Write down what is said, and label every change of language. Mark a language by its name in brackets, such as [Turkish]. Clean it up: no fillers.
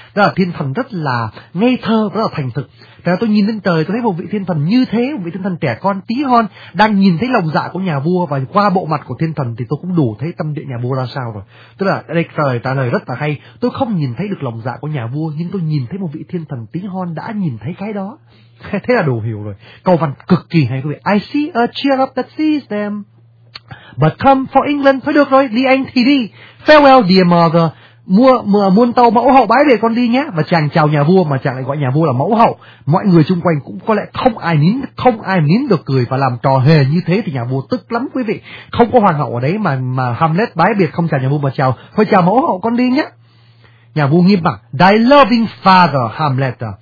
[Vietnamese] Đó là thiên thần rất là ngây thơ, rất là thành thực. Thế là tôi nhìn lên trời, tôi thấy một vị thiên thần như thế, một vị thiên thần trẻ con tí hon đang nhìn thấy lòng dạ của nhà vua, và qua bộ mặt của thiên thần thì tôi cũng đủ thấy tâm địa nhà vua ra sao rồi. Tức là đây trả lời rất là hay, tôi không nhìn thấy được lòng dạ của nhà vua, nhưng tôi nhìn thấy một vị thiên thần tí hon đã nhìn thấy cái đó. Thế là đủ hiểu rồi, câu văn cực kỳ hay quý vị. [English] I see a cherub that sees them, but come for England. [Vietnamese] Thôi được rồi, đi Anh thì đi, [English] farewell dear mother, [Vietnamese] mua muôn tàu mẫu hậu bái để con đi nhé. Và chàng chào nhà vua mà chàng lại gọi nhà vua là mẫu hậu, mọi người xung quanh cũng có lẽ không ai nín được cười và làm trò hề như thế, thì nhà vua tức lắm quý vị. Không có hoàng hậu ở đấy mà Hamlet bái biệt không chào nhà vua mà chào, thôi chào mẫu hậu con đi nhé. Nhà vua nghiêm mặt, [English] thy loving father Hamlet,